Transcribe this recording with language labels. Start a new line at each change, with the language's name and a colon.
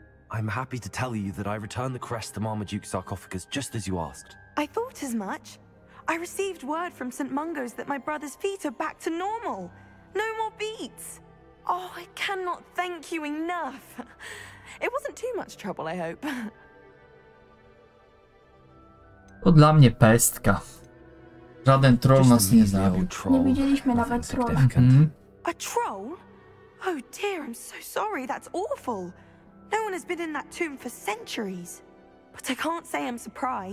English: I'm happy to tell you that I returned the crest to Marmaduke's sarcophagus just as you asked. I thought as much. I received word from St. Mungo's that my brother's feet are back to normal. No more beats. Oh, I cannot thank you enough. It wasn't too much trouble, I hope.
Polish: To dla mnie pestka. Żaden troll nas nie znał. Nie widzieliśmy nawet trolla.
English: A troll? Oh dear, I'm so sorry, that's awful. No one has been in that tomb for centuries, but I can't say I'm surprised.